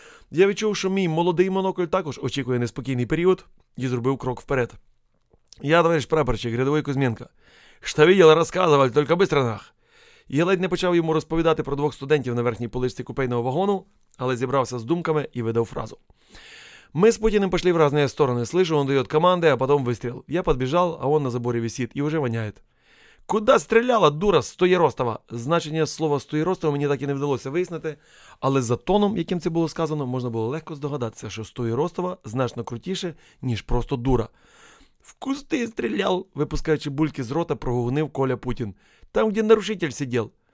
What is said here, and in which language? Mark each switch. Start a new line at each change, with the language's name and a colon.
Ukrainian: Я відчув, що мій молодий монокль також очікує неспокійний період і зробив крок вперед. «Я, товариш прапорщик, рядовий Кузьменко. Що видел, розказував, тільки быстро нах!» Я ледь не почав йому розповідати про двох студентів на верхній поличці купейного вагону, але зібрався з думками і видав фразу. «Ми з Путіним пішли в різні сторони.
Russian: Слышу, он дает команди, а потом выстрел. Я подбежал, а он на заборі висит і уже воняет». «Куда стреляла, дура, Стоєростова?»
Ukrainian: Значення слова «Стоєростова» мені так і не вдалося вияснити, але за тоном, яким це було сказано, можна було легко здогадатися, що Стоєростова значно крутіше, ніж просто дура. «В кусти стріляв», – випускаючи бульки з рота, прогугнив Коля Путін. «Там, де нарушитель сидів».